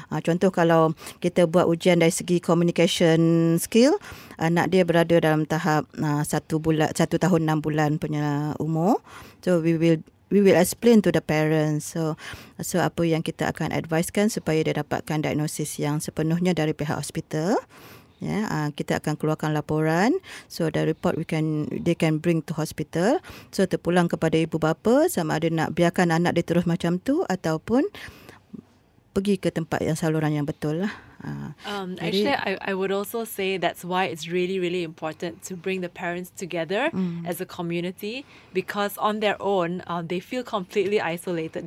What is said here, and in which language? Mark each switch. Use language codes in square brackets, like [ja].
[ms] Contoh kalau kita buat ujian dari segi communication skill, anak dia berada dalam tahap 1 tahun 6 bulan punya umur. [en] So we will explain to the parents. [ms] So apa yang kita akan advisekan supaya dia dapatkan diagnosis yang sepenuhnya dari pihak hospital. Yeah, kita akan keluarkan laporan. [en] So the report they can bring to hospital. [ms] So terpulang kepada ibu bapa sama ada nak biarkan anak dia terus macam tu ataupun pergi ke tempat yang saluran yang betul lah. [en] Actually, I would also say that's why it's really, really important to bring the parents together as a community, because on their own, they feel completely isolated.